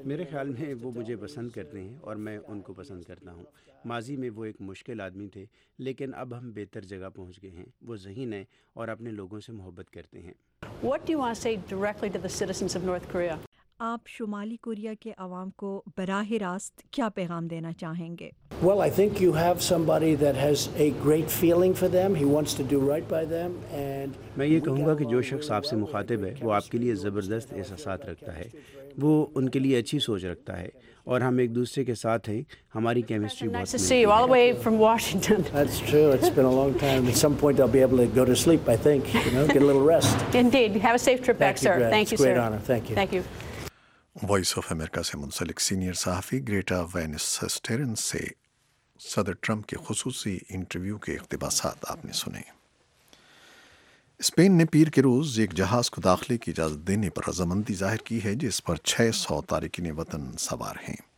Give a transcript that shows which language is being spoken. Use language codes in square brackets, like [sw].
[ur] میرے خیال میں وہ مجھے پسند کرتے ہیں اور میں ان کو پسند کرتا ہوں. ماضی میں وہ ایک مشکل آدمی تھے, لیکن اب ہم بہتر جگہ پہنچ گئے ہیں. وہ ذہین ہیں اور اپنے لوگوں سے محبت کرتے ہیں. [en] What do you want to say directly to the citizens of North Korea? [ur] آپ شمالی کوریا کے عوام کو براہ راست کیا پیغام دینا چاہیں گے؟ [en] Well, I think you have somebody that has a great feeling for them. He wants to do right by them. And [ur] میں یہ کہوں گا کہ جو شخص آپ سے مخاطب ہے, وہ آپ کے لیے زبردست احساسات رکھتا ہے. وہ ان کے لیے اچھی سوچ رکھتا ہے اور ہم ایک دوسرے کے ساتھ ہیں. ہماری کیمسٹری بہت اچھی ہے. [en] See you all the way from Washington. That's true. It's been a long time. At some point I'll be able to go to sleep, I think, you know, get a little rest. Indeed. Have a safe trip back, sir. Thank you, sir. Great honor. Thank you. Thank you. [ur] Voice of America سے منسلک senior صحافی Greta when سسٹرن سے صدر Trump کے خصوصی interview کے اقتباسات آپ نے سنے. اسپین نے پیر کے روز ایک جہاز کو داخلے کی اجازت دینے پر رضامندی ظاہر کی ہے, جس پر 600 تارکین وطن سوار ہیں.